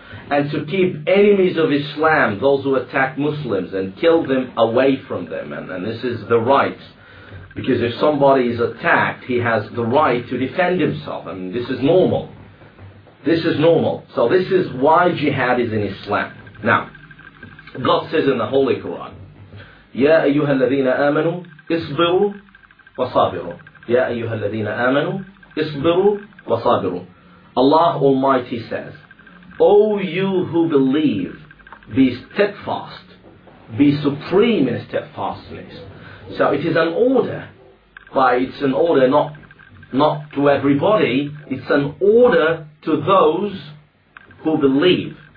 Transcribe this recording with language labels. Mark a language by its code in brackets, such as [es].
[en] And to keep enemies of Islam, those who attack Muslims and kill them, away from them. And this is the right. Because if somebody is attacked, he has the right to defend himself. I mean, this is normal. This is normal. So this is why jihad is in Islam. Now, God says in the Holy Quran, [ar] يَا أَيُّهَا الَّذِينَ آمَنُوا اصْبِرُوا وَصَابِرُوا يَا أَيُّهَا الَّذِينَ آمَنُوا اصْبِرُوا وَصَابِرُوا. [en] Allah Almighty says, O you who believe, be steadfast, be supreme in steadfastness. So it is an order, but it's an order not to everybody, it's an order to those who believe.